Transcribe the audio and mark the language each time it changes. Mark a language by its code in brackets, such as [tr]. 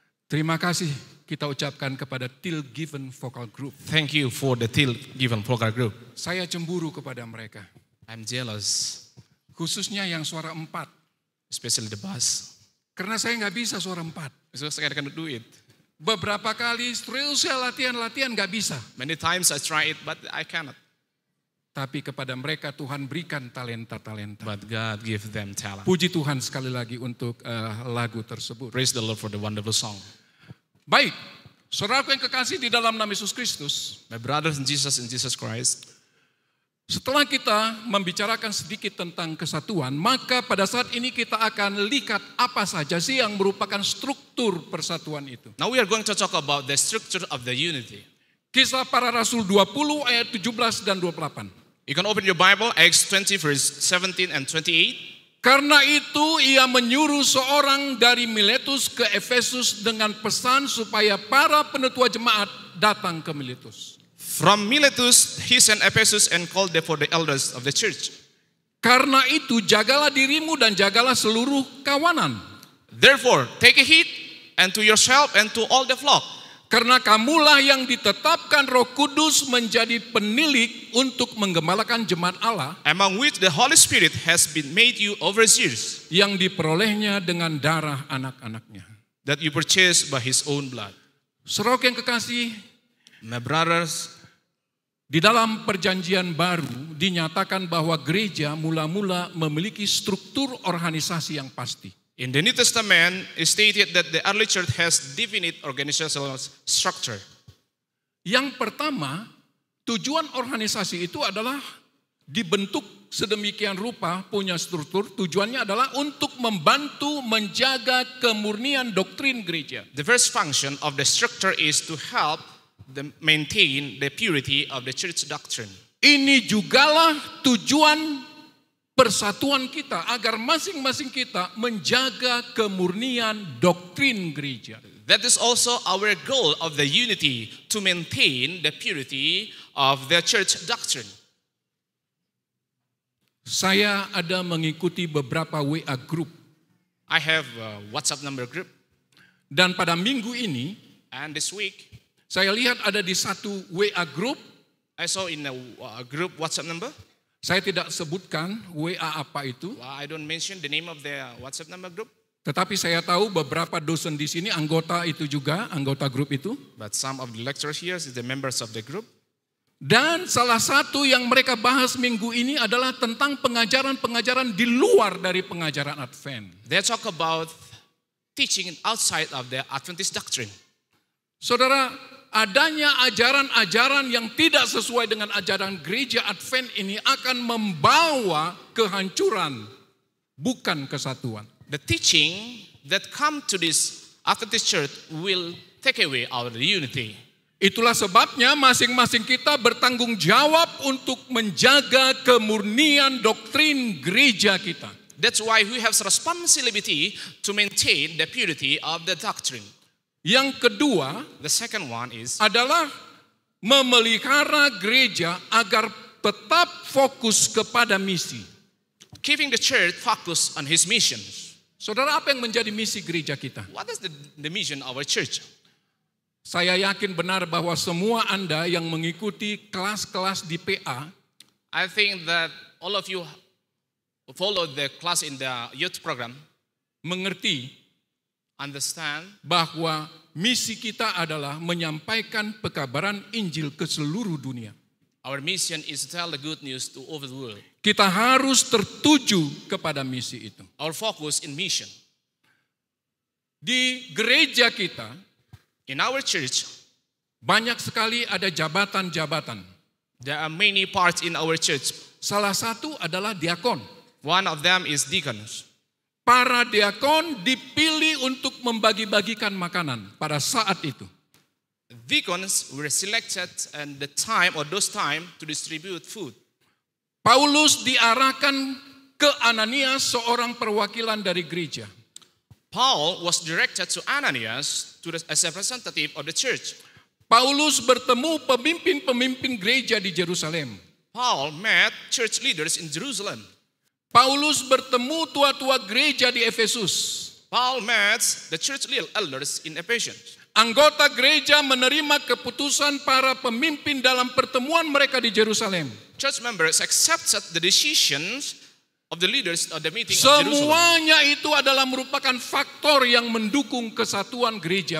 [id] Terima kasih kita ucapkan kepada Till Given Vocal Group. [en] Thank you for the Till Given Vocal Group. [id] Saya cemburu kepada mereka. [en] I'm jealous. [id] Khususnya yang suara empat. [en] Especially the bass. [id] Karena saya gak bisa suara empat. [en] So [id] saya akan [en] do it. [id] Beberapa kali terus saya latihan-latihan gak bisa. [en] Many times I try it but I cannot. [id] Tapi kepada mereka Tuhan berikan talenta-talenta. [en] But God give them talent. [id] Puji Tuhan sekali lagi untuk lagu tersebut. [en] Praise the Lord for the wonderful song. [id] Baik, saudaraku yang kekasih di dalam nama Yesus Kristus. [en] My brothers and sisters in Jesus Christ. [id] Setelah kita membicarakan sedikit tentang kesatuan, maka pada saat ini kita akan lihat apa saja sih yang merupakan struktur persatuan itu. [en] Now we are going to talk about the structure of the unity. [id] Kisah para Rasul 20 ayat 17 dan 28. [en] You can open your Bible, Acts 20 verse 17 and 28. [id] Karena itu ia menyuruh seorang dari Miletus ke Efesus dengan pesan supaya para penetua jemaat datang ke Miletus. [en] From Miletus he sent Ephesus and called for the elders of the church. [id] Karena itu jagalah dirimu dan jagalah seluruh kawanan. [en] Therefore take heed and to yourself and to all the flock. [id] Karena kamulah yang ditetapkan Roh Kudus menjadi penilik untuk menggembalakan jemaat Allah. [en] Among which the Holy Spirit has been made you overseers. [id] Yang diperolehnya dengan darah anak-anaknya. [en] That you purchased by his own blood. [id] Saudara yang kekasih. [en] My brothers. [id] Di dalam perjanjian baru dinyatakan bahwa gereja mula-mula memiliki struktur organisasi yang pasti. [en] In the New Testament, it stated that the early church has definite organizational structure. [id] Yang pertama, tujuan organisasi itu adalah dibentuk sedemikian rupa, punya struktur, tujuannya adalah untuk membantu menjaga kemurnian doktrin gereja. [en] The first function of the structure is to help the maintain the purity of the church doctrine. [id] Ini jugalah tujuan persatuan kita agar masing-masing kita menjaga kemurnian doktrin gereja. [en] That is also our goal of the unity, to maintain the purity of the church doctrine. [id] Saya ada mengikuti beberapa WA group. [en] I have a WhatsApp number group. [id] Dan pada minggu ini, [en] and this week, [id] saya lihat ada di satu WA group [en] I saw in a group WhatsApp number. [id] Saya tidak sebutkan WA apa itu. [en] Well, I don't mention the name of the WhatsApp number group. [id] Tetapi saya tahu beberapa dosen di sini anggota itu juga, anggota grup itu. [en] But some of the lecturers here is the members of the group. [id] Dan salah satu yang mereka bahas minggu ini adalah tentang pengajaran-pengajaran di luar dari pengajaran Advent. [en] They talk about teaching outside of the Adventist doctrine. [id] Saudara, adanya ajaran-ajaran yang tidak sesuai dengan ajaran gereja Advent ini akan membawa kehancuran, bukan kesatuan. [en] The teaching that come to this Adventist church will take away our unity. [id] Itulah sebabnya masing-masing kita bertanggung jawab untuk menjaga kemurnian doktrin gereja kita. [en] That's why we have responsibility to maintain the purity of the doctrine. [id] Yang kedua, [en] the second one is [id] adalah memelihara gereja agar tetap fokus kepada misi. [en] Keeping the church focus on his mission. [id] Saudara, apa yang menjadi misi gereja kita? [en] What is the mission of our church? [id] Saya yakin benar bahwa semua Anda yang mengikuti kelas-kelas di PA, [en] I think that all of you follow the class in the youth program, [id] mengerti, [en] understand, [id] bahwa misi kita adalah menyampaikan pekabaran Injil ke seluruh dunia. [en] Our mission is to tell the good news to over the world. [id] Kita harus tertuju kepada misi itu. [en] Our focus in mission. [id] Di gereja kita, [en] in our church, [id] banyak sekali ada jabatan-jabatan. [en] There are many parts in our church. [id] Salah satu adalah diakon. [en] One of them is deacons. [id] Para diakon dipilih untuk membagi-bagikan makanan pada saat itu. [en] Deacons were selected and the time or those time to distribute food. [id] Paulus diarahkan ke Ananias, seorang perwakilan dari gereja. [en] Paul was directed to Ananias as a representative of the church. [id] Paulus bertemu pemimpin-pemimpin gereja di Jerusalem. [en] Paul met church leaders in Jerusalem. [id] Paulus bertemu tua-tua gereja di Efesus. [en] Paul met the church elders in Ephesus. [id] Anggota gereja menerima keputusan para pemimpin dalam pertemuan mereka di Jerusalem. [en] Church members accepted the decisions of the leaders at the meeting. [id] Semuanya itu adalah merupakan faktor yang mendukung kesatuan gereja